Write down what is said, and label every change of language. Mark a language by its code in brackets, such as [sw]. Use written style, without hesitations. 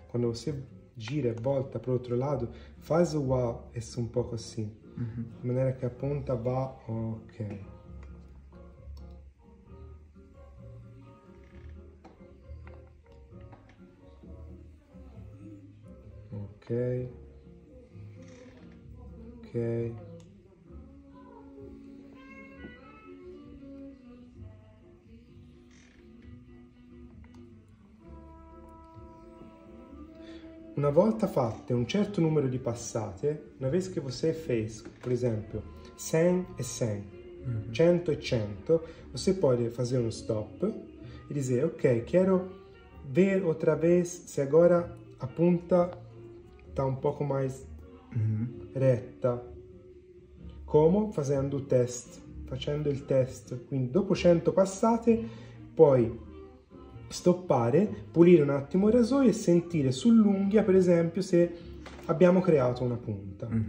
[pt] Quando você gira e volta para o outro lado, faz o A esse un poco assim. [it] In maniera che a punta va, ok. Ok. Una volta fatte un certo numero di passate, [pt] una vez che você fez, per esempio, 100 e 100, 100 e 100, você pode fazer un stop e dizer, ok, quero ver outra vez se agora a punta tá un poco mais retta. [it] Come? Facendo il test, facendo il test. Quindi dopo 100 passate puoi stoppare, pulire un attimo il rasoio e sentire sull'unghia, per esempio, se abbiamo creato una punta.